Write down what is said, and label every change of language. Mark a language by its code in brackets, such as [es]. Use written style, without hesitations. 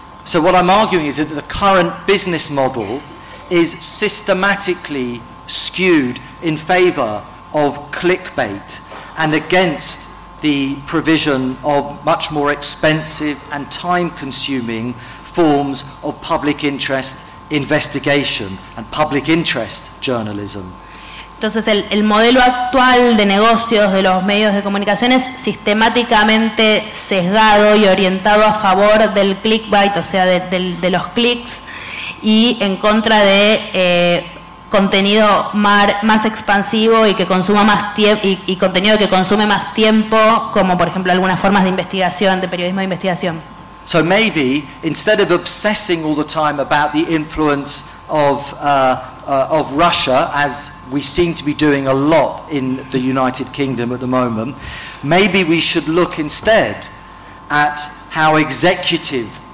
[en] So what I'm arguing is that the current business model is systematically skewed in favor of clickbait and against the provision of much more expensive and time-consuming forms of public interest investigation and public interest journalism. [es] Entonces, el modelo actual de negocios de los medios de comunicación es sistemáticamente sesgado y orientado a favor del clickbait, o sea, de los clics, y en contra de contenido más expansivo y que consuma más y contenido que consume más tiempo, como por ejemplo algunas formas de investigación, de periodismo de investigación. [en] So maybe instead of obsessing all the time about the influence of Russia, as we seem to be doing a lot in the United Kingdom at the moment, maybe we should look instead at how executive